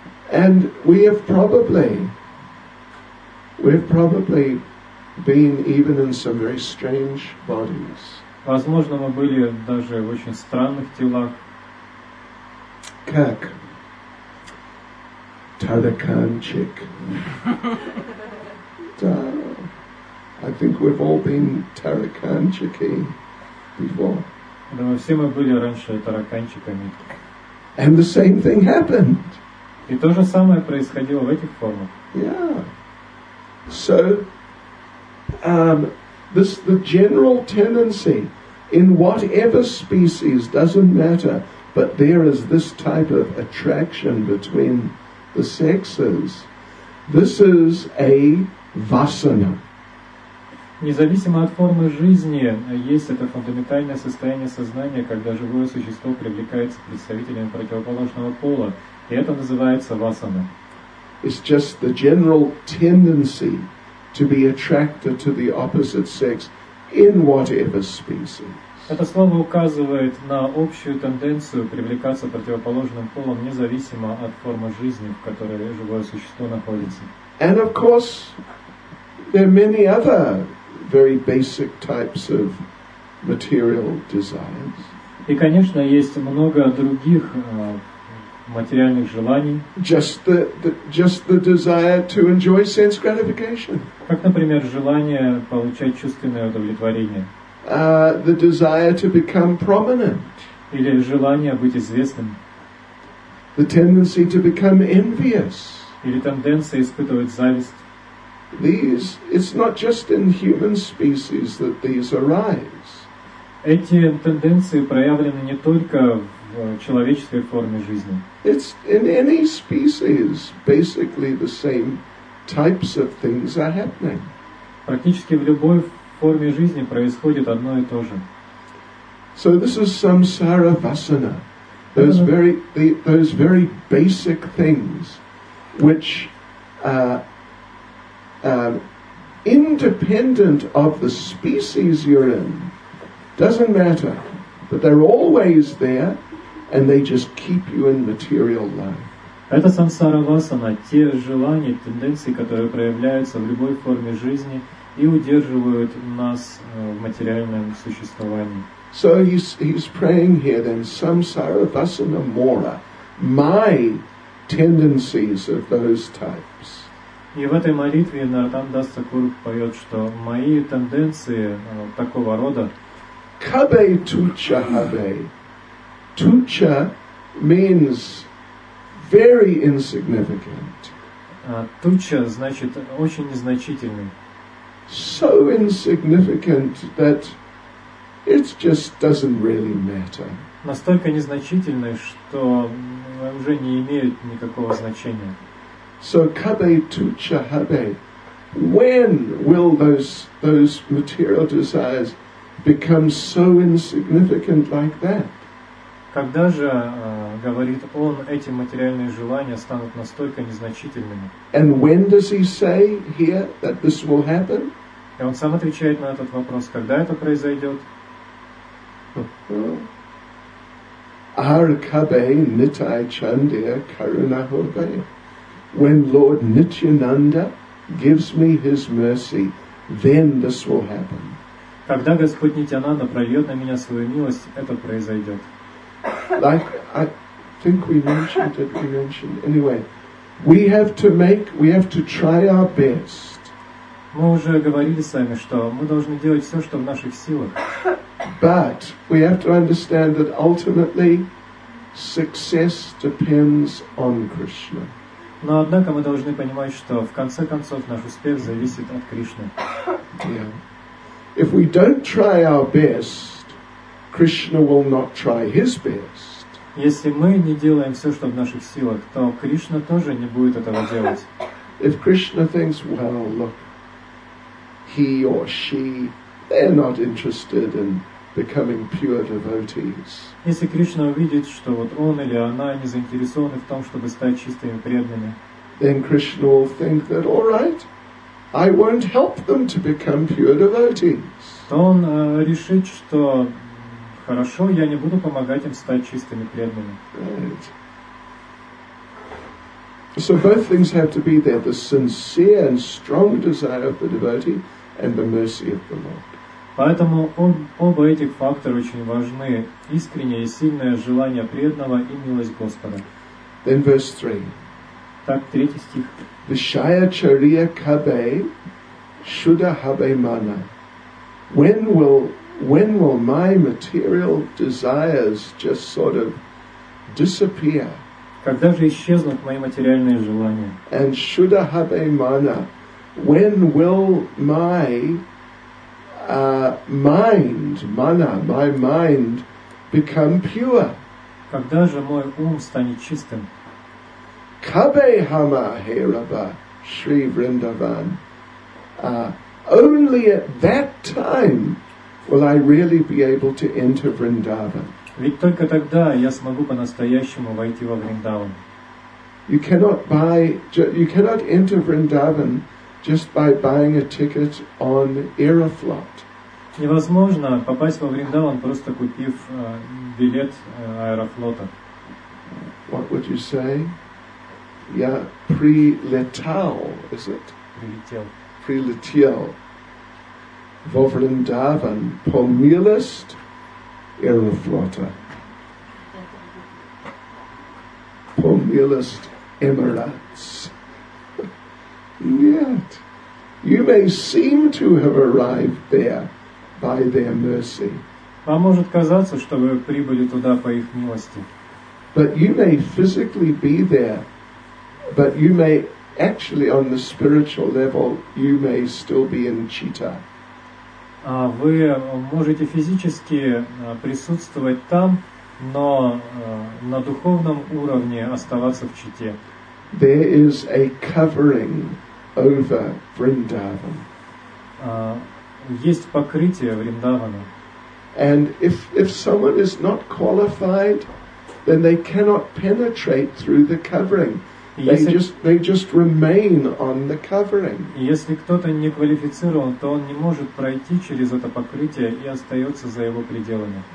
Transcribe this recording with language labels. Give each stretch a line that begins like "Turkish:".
English: And we have probably been even in some very strange bodies.
Russian: Возможно, мы были даже в очень странных телах. Как? Tadakanchik.
English: I think we've all been Tadakanchiki before.
Russian: Думаю, все мы были раньше тараканчиками.
English: And the same thing happened.
Russian: И то же самое происходило в этих формах.
English: So, this the general tendency in whatever species doesn't matter, but there is this type of attraction between the sexes. This is a vasana.
Russian: Независимо от формы жизни, есть это фундаментальное состояние сознания, когда живое существо привлекается представителями противоположного пола, и это называется васана.
English: It's just the general tendency to be attracted to the opposite sex in whatever species.
Russian: Это слово указывает на общую тенденцию привлекаться противоположным полом, независимо от формы жизни, в которой живое существо находится.
English: And of course, there are many other very basic types of material desires.
Russian: И, конечно, есть много других материальных желаний.
English: Just the desire to enjoy sense gratification.
Russian: Как, например, желание получать чувственное удовлетворение.
English: The desire to become prominent.
Russian: Или желание быть известным.
English: The tendency to become envious.
Russian: Или тенденция испытывать зависть.
English: These, it's not just in human species that these arise.
Russian: Эти тенденции проявлены не только в человеческой форме жизни.
English: It's in any species, basically the same types of things are happening.
Russian: Практически в любой форме жизни происходит одно и то же.
English: So this is samsara vasana. Those very basic things which independent of the species you're in, doesn't matter, but they're always there, and they just keep you in material life.
Russian: Это самсара васана, те желания, тенденции, которые проявляются в любой форме жизни и удерживают нас в материальном существовании.
English: So he's praying here then, samsara vasana mora, my tendencies of those types.
Russian: И в этой молитве Нардан Дас Такур поет, что мои тенденции такого рода.
Bangla: Кабе туча хабе.
English: Туча means very insignificant.
Russian: Туча значит очень незначительный.
English: So insignificant that it just doesn't really matter.
Russian: Настолько незначительный, что уже не имеет никакого значения.
Bangla: So kabe tucha habe.
English: When will those material desires become so insignificant like that?
Russian: Когда же, говорит он, эти материальные желания станут настолько незначительными?
English: And when does he say here that this will happen?
Russian: И он сам отвечает на этот вопрос, когда это произойдет?
Bangla: Ar kabe nitai chandir karuna habe.
English: When Lord Nityananda gives me his mercy, then this will happen.
Russian: Когда Господь Нитянанда прольет на меня свою милость, это произойдет.
English: Like, I think we mentioned. Anyway, we have to try our best.
Russian: Мы уже говорили с вами, что мы должны делать все, что в наших силах.
English: But we have to understand that ultimately success depends on Krishna.
Russian: Но, однако, мы должны понимать, что, в конце концов, наш успех зависит от Кришны.
English: If we don't try our best, Krishna will not try his best.
Russian: Если мы не делаем все, что в наших силах, то Кришна тоже не будет этого делать.
English: If Krishna thinks, well, look, he or she, they're not interested in becoming pure devotees.
Russian: Если Кришна увидит, что вот он или она не заинтересованы в том, чтобы стать чистыми преданными,
English: then Krishna will think that, all right, I won't help them to become pure devotees.
Russian: То он решит, что хорошо, я не буду помогать им стать чистыми преданными.
English: Right. So both things have to be there: the sincere and strong desire of the devotee and the mercy of the Lord.
Russian: Поэтому оба этих фактора очень важны. Искреннее и сильное желание преданного и милость Господа.
English: Then verse 3.
Russian: Так, третий стих.
Bangla: Вишая чария кабе, шуда хабе мана.
English: When will my material desires just sort of disappear?
Russian: Когда же исчезнут мои материальные желания?
English: And shuda habe mana, when will my mind, mana, my mind become pure?
Russian: Когда же мой ум станет чистым?
Bangla: Kabe hama he rabba, Shri Vrindavan.
English: Only at that time will I really be able to enter Vrindavan.
Russian: Ведь только тогда я смогу по-настоящему войти во Вриндаван.
English: You cannot enter Vrindavan just by buying a ticket on Aeroflot.
Russian: Невозможно попасть во Вриндаван, просто купив билет Аэрофлота.
English: What would you say?
Russian: Я прилетал,
English: is it?
Russian: Прилетел. Прилетел во Вриндаван по милости Аэрофлота. Помилост Эмиратс. Нет.
English: You may seem to have arrived there by their mercy.
Russian: Вам может казаться, что вы прибыли туда по их милости.
English: But you may physically be there, but you may actually on the spiritual level, you may still be in Чита.
Russian: Вы можете физически присутствовать там, но на духовном уровне оставаться в Чите.
English: There is a covering over Vrindavan.
Russian: Есть покрытие Вриндавана.
English: And if someone is not qualified, then they cannot penetrate through the covering. They just remain on the covering.
Russian: Если кто-то не квалифицирован, то он не может пройти через это покрытие и остается за его пределами.